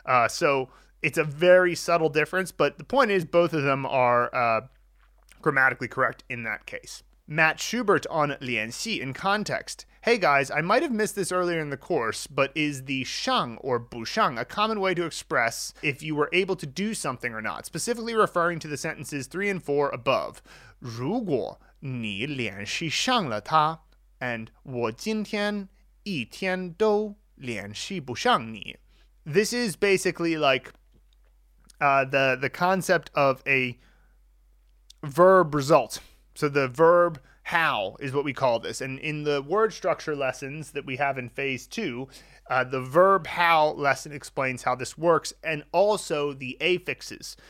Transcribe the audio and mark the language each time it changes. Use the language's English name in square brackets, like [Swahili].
[English] So it's a very subtle difference, but the point is both of them are grammatically correct in that case. Matt Schubert on Lianxi in context. Hey guys, I might have missed this earlier in the course, but is the shang or busheng a common way to express if you were able to do something or not, specifically referring to the sentences 3 and 4 above? [Chinese] 如果你联系上了他, [English] and [Chinese] 我今天一天都联系不上你. [English] This is basically like the concept of a verb result. So the verb how is what we call this. And in the word structure lessons that we have in phase two, the verb how lesson explains how this works, and also the affixes.